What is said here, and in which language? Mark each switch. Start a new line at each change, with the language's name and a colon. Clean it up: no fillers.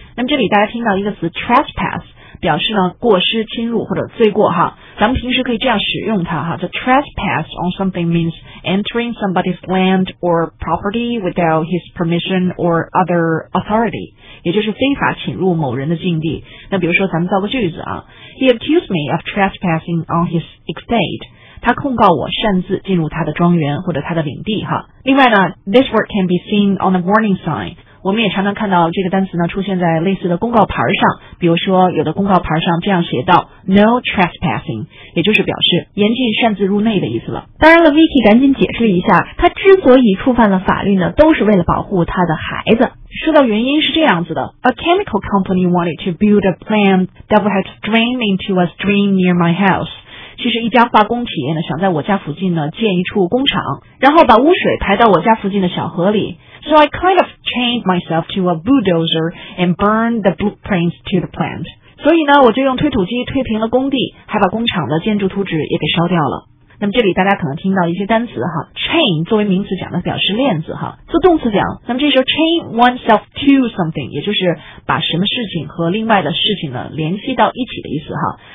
Chinese: 那么这里大家听到一个词 trespass表示呢过失侵入或者罪过哈，咱们平时可以这样使用它哈。
English: The trespass on something means entering somebody's land or property without his permission or other authority,
Chinese: 也就是非法侵入某人的境地。
English: 那比如说咱们造个句子啊， He accused me of trespassing on his estate.
Chinese: 他控告我擅自进入他的庄园或者他的领地哈。另外呢
English: This word can be seen on a warning sign.
Chinese: 我们也常常看到这个单词呢出现在类似的公告牌上，比如说有的公告牌上这样写到
English: No trespassing,
Chinese: 也就是表示严禁擅自入内的意思了。当然了 Vicky 赶紧解释一下，他之所以触犯了法律呢都是为了保护他的孩子。说到原因是这样子的，
English: A chemical company wanted to build a plant that would have drained into a stream near my house.
Chinese: 其实一家化工企业呢想在我家附近呢建一处工厂，然后把污水排到我家附近的小河里。
English: So I kind of chained myself to a bulldozer and burned the blueprints to the plant.
Chinese: 所以呢我就用推土机推平了工地，还把工厂的建筑图纸也给烧掉了。那么这里大家可能听到一些单词哈， chain 作为名词讲的表示链子哈，做动词讲，那么这时候
English: chain oneself to something
Chinese: 也就是把什么事情和另外的事情呢联系到一起的意思哈。